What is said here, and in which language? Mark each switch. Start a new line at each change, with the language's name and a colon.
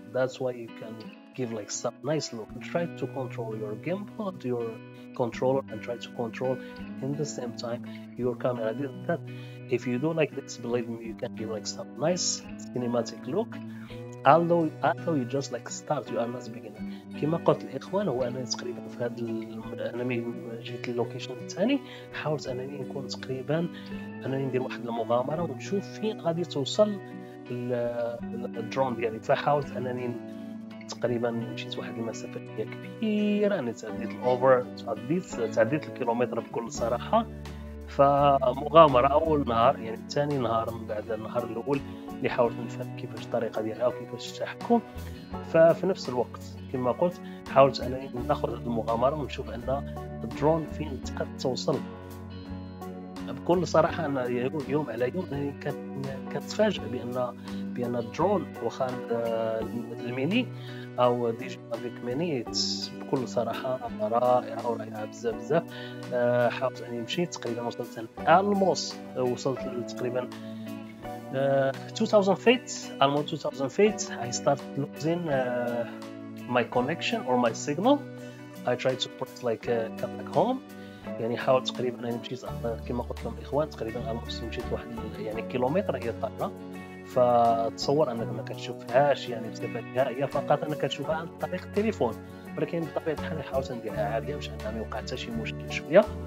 English: That's why you can give like some nice look. Try to control your gimbal, your controller, and try to control in the same time your camera. That if you do like this, believe me, you can give like some nice cinematic look. Although you just like start, you are not beginning.
Arabic: كما قلت الإخوان، هو أنا تقريبا في هذا أنا جيت للوكيشن الثاني، حاولت أنني نكون تقريبا أنني ندير واحد المغامرة ونشوف فين غادي توصل الدرون ديالي. فحاولت أنني تقريبا مشيت واحد المسافة كبيرة، أنا تعديت الأوفر، تعديت الكيلومتر بكل صراحة. فمغامرة أول نهار، يعني ثاني نهار من بعد النهار الأول يحاول نفهم كيفاش الطريقه ديالها وكيفاش التحكم. ففي نفس الوقت كما قلت حاولت انا ناخذ هذه المغامره ونشوف ان الدرون فين قد توصل. بكل صراحه انا يوم على يوم كنتفاجئ بان الدرون واخا الميني او ديجي افيك ميني بكل صراحه رائعه ورائعه بزاف بزاف. حاولت اني نمشي تقريبا وصلت الموس وصلت تقريبا 2000 feet.
English: Almost 2000 feet. I start losing my connection or my signal. I try to put like come back home.
Arabic: يعني حاول تقريبا أنا مشيت كما قلت لهم إخوان تقريبا almost مشيت واحد يعني كيلومتر هي الطائرة. فتصور أنك ما كتشوفهاش يعني بصفة نهائية فقط أنك كتشوفها عن طريق التليفون. ولكن بطبيعة الحال حاولت نديرها عالية باش أنا ما وقعتش شي مشكل شوية.